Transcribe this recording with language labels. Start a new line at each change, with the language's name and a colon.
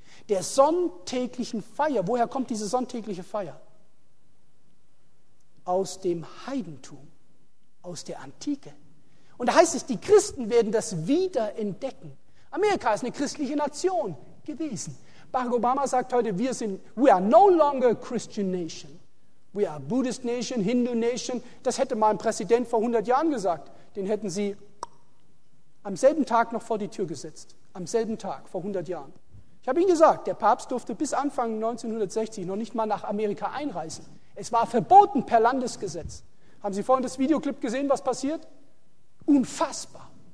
German: Der sonntäglichen Feier. Woher kommt diese sonntägliche Feier? Aus dem Heidentum, aus der Antike. Und da heißt es, die Christen werden das wiederentdecken. Amerika ist eine christliche Nation gewesen. Barack Obama sagt heute,
English: we are no longer a Christian nation. We are a Buddhist nation, Hindu nation.
German: Das hätte mal ein Präsident vor 100 Jahren gesagt. Den hätten sie am selben Tag noch vor die Tür gesetzt. Am selben Tag, vor 100 Jahren. Ich habe Ihnen gesagt, der Papst durfte bis Anfang 1960 noch nicht mal nach Amerika einreisen. Es war verboten per Landesgesetz. Haben Sie vorhin das Videoclip gesehen, was passiert? Unfassbar.